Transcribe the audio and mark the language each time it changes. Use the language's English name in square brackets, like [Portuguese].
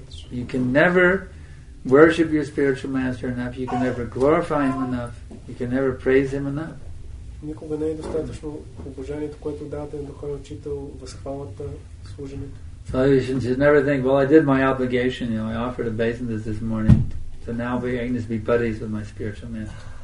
[English] You can never worship your spiritual master enough. You can never glorify him enough. You can never praise him enough. [Bulgarian] Никога не е достатъчно обожанието, което давате на духовния учител, възхвалата, служението. [English] So you should never think, well, I did my obligation, you know, I offered obeisances this morning, so now I can just be buddies with my spiritual master.